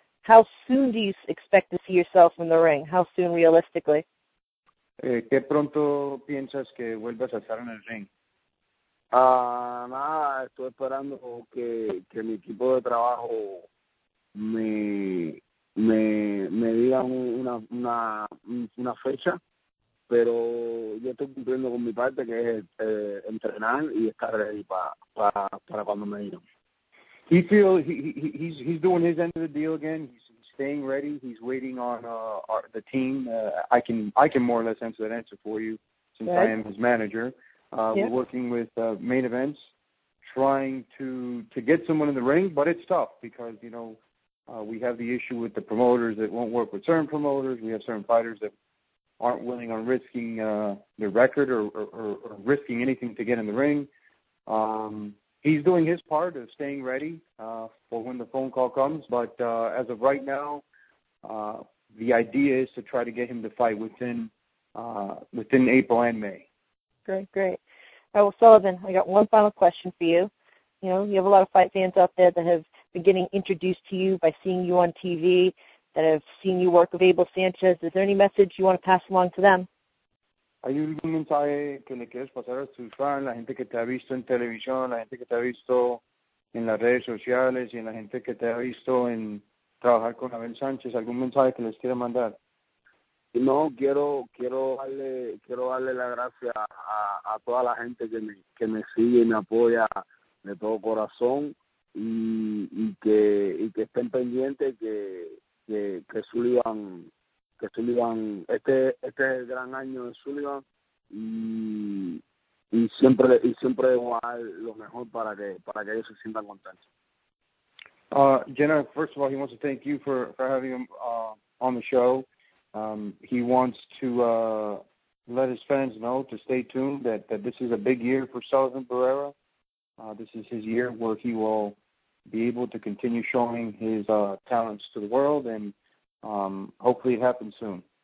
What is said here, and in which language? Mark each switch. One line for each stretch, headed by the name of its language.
English: How soon do you expect to see yourself in the ring? How soon, realistically?
Spanish: ¿Qué pronto piensas que vuelvas a estar en el ring? Nada, estoy esperando que mi equipo de trabajo me diga una fecha, pero yo estoy cumpliendo con mi parte, que es entrenar y estar ready para cuando me digan.
English: He's doing his end of the deal again. He's staying ready. He's waiting on the team. I can more or less answer that answer for you, since right. I am his manager. We're working with main events, trying to get someone in the ring, but it's tough because, you know, we have the issue with the promoters that won't work with certain promoters. We have certain fighters that aren't willing on risking their record or risking anything to get in the ring. He's doing his part of staying ready for when the phone call comes, but as of right now, the idea is to try to get him to fight within April and May. Great. All right, well, Sullivan, I got one final question for you. You know, you have a lot of fight fans out there that have been getting introduced to you by seeing you on TV, that have seen you work with Abel Sanchez. Is there any message you want to pass along to them?
Spanish: ¿Hay algún mensaje que le quieres pasar a tus fans, la gente que te ha visto en televisión, la gente que te ha visto en las redes sociales y en la gente que te ha visto en trabajar con Abel Sánchez? ¿Algún mensaje que les quiera mandar? No, quiero darle la gracia a toda la gente que me sigue y me apoya de todo corazón y que estén pendientes que Sullivan. Que Sullivan, este es el gran año de Sullivan y siempre debo dar lo mejor para que ellos se sientan contentos.
English: Jenna, first of all, he wants to thank you for having him on the show. He wants to let his fans know to stay tuned that this is a big year for Sullivan Barrera. This is his year where he will be able to continue showing his talents to the world, and hopefully it happens soon.